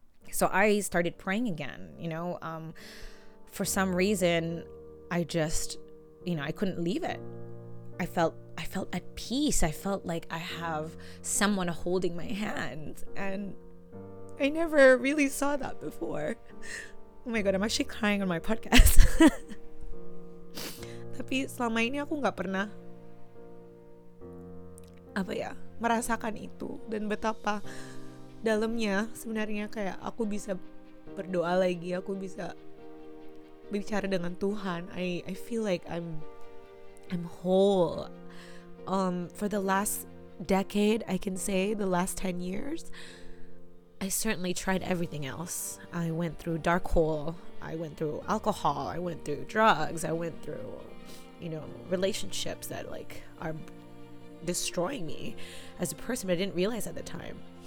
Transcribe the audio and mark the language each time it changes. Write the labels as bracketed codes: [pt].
[en] So I started praying again, you know. For some reason, I just, you know, I couldn't leave it. I felt at peace. I felt like I have someone holding my hand. And I never really saw that before. Oh my God, I'm actually crying on my podcast. [id] Tapi selama ini aku gak pernah, apa ya, merasakan itu. Dan betapa dalamnya sebenarnya, kayak aku bisa berdoa lagi, aku bisa bicara dengan Tuhan. [en] I feel like I'm whole. For the last decade, I can say the last 10 years, I certainly tried everything else. I went through dark hole, I went through alcohol, I went through drugs, I went through, you know, relationships that like are destroying me as a person, but I didn't realize at the time.